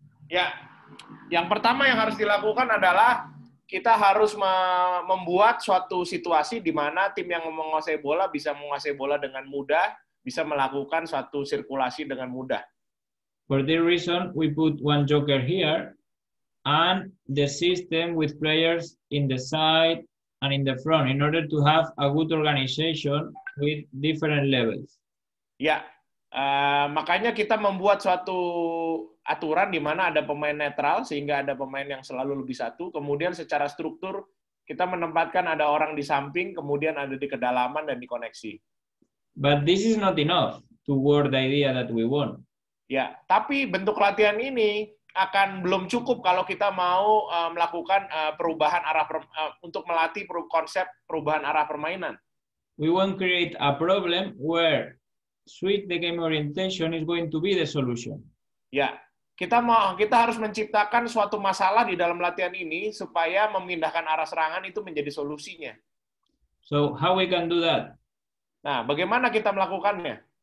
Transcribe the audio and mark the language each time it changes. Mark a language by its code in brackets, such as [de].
[id] Ya, yang pertama yang harus dilakukan adalah kita harus membuat suatu situasi di mana tim yang menguasai bola bisa menguasai bola dengan mudah, bisa melakukan suatu sirkulasi dengan mudah. [en] For this reason, we put one joker here and the system with players in the side and in the front in order to have a good organization with different levels. [id] Ya, makanya kita membuat suatu aturan di mana ada pemain netral sehingga ada pemain yang selalu lebih satu. Kemudian secara struktur kita menempatkan ada orang di samping, kemudian ada di kedalaman dan di koneksi. [en] But this is not enough to work the idea that we want. [id] Ya, tapi bentuk latihan ini akan belum cukup kalau kita mau melakukan perubahan arah untuk melatih konsep perubahan arah permainan. [en] We won't create a problem where switch the game orientation is going to be the solution. [id] Ya, kita harus menciptakan suatu masalah di dalam latihan ini supaya memindahkan arah serangan itu menjadi solusinya. [en] So, how we can do that? [id] Nah, bagaimana kita melakukannya?